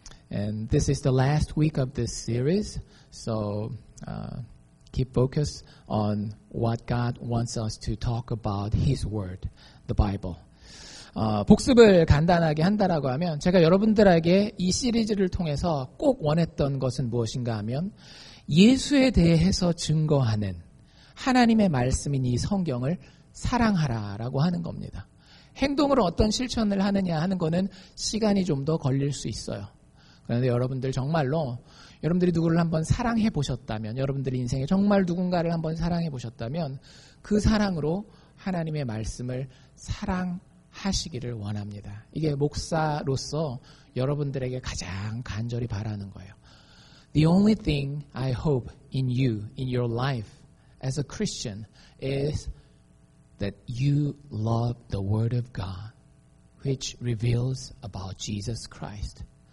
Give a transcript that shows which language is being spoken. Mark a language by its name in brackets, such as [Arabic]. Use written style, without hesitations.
[English] And this is the last week of this series, so keep focus on what God wants us to talk about His Word, the Bible. [Korean] 복습을 간단하게 한다라고 하면 제가 여러분들에게 이 시리즈를 통해서 꼭 원했던 것은 무엇인가 하면 예수에 대해서 증거하는 하나님의 말씀인 이 성경을 사랑하라라고 하는 겁니다. 행동으로 어떤 실천을 하느냐 하는 것은 시간이 좀 더 걸릴 수 있어요. 그런데 여러분들 정말로 여러분들이 누구를 한번 사랑해 보셨다면 여러분들 인생에 정말 누군가를 한번 사랑해 보셨다면 그 사랑으로 하나님의 말씀을 사랑하시기를 원합니다. 이게 목사로서 여러분들에게 가장 간절히 바라는 거예요. [English] The only thing I hope in you, in your life as a Christian is that you love the word of God which reveals about Jesus Christ.